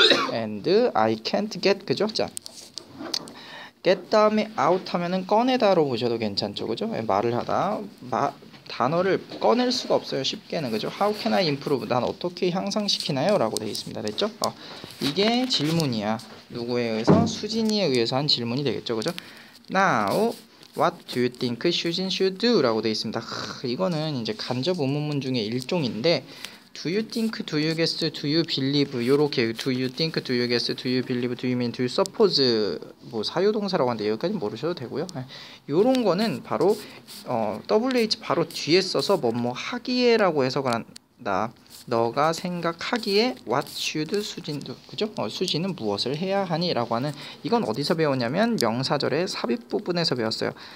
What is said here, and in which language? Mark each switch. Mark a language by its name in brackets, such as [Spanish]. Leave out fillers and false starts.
[English] And I can't get, [Korean] 그죠? 자, get 다음에 out 하면은 꺼내다로 보셔도 괜찮죠, 그죠? 말을 하다, 단어를 꺼낼 수가 없어요, 쉽게는, 그죠? [English] How can I improve? [Korean] 난 어떻게 향상시키나요? 라고 되어 있습니다, 됐죠? 이게 질문이야. 누구에 의해서? 수진이에 의해서 한 질문이 되겠죠, 그죠? [English] Now, What do you think Susan should do? [Korean] 라고 되어 있습니다. 이거는 이제 간접 의문문 중에 일종인데 [English] Do you think, do you guess, do you believe? [Korean] 요렇게 [English] Do you think, do you guess, do you believe, do you mean, do you suppose? [Korean] 뭐 사유동사라고 하는데 여기까지는 모르셔도 되고요. 요런 거는 바로 WH 바로 뒤에 써서 뭐뭐 하기에 라고 해석을 한다. 너가 생각하기에 what should 수진 do 그죠? 수진은 무엇을 해야 하니? 라고 하는 이건 어디서 배웠냐면 명사절의 삽입 부분에서 배웠어요.